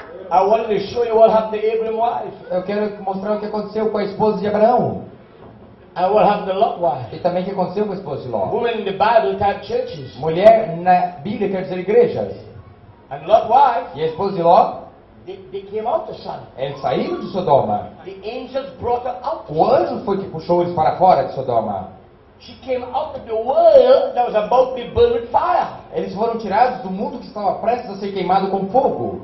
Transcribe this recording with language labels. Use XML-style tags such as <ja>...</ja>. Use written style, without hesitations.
<en>I wanted to show you what happened to Abraham's wife.</en> <pt>Eu quero mostrar o que aconteceu com a esposa de Abraão.</pt> <en>And what happened to Lot's wife.</en> <pt>E também o que aconteceu com a esposa de Ló.</pt> <en>Women in the Bible type churches.</en> <pt>Mulher na Bíblia quer dizer igrejas.</pt> <en>And Lot's wife.</en> <pt>E a esposa de Ló.</pt> <en>They came out of Sodom.</en> <pt>Eles saíram de Sodoma.</pt> <en>The angels brought them out.</en> <pt>O anjo foi que puxou eles para fora de Sodoma.</pt> <en>She came out of the world that was about to be burned with fire.</en> <pt>Eles foram tirados do mundo que estava prestes a ser queimado com fogo.</pt>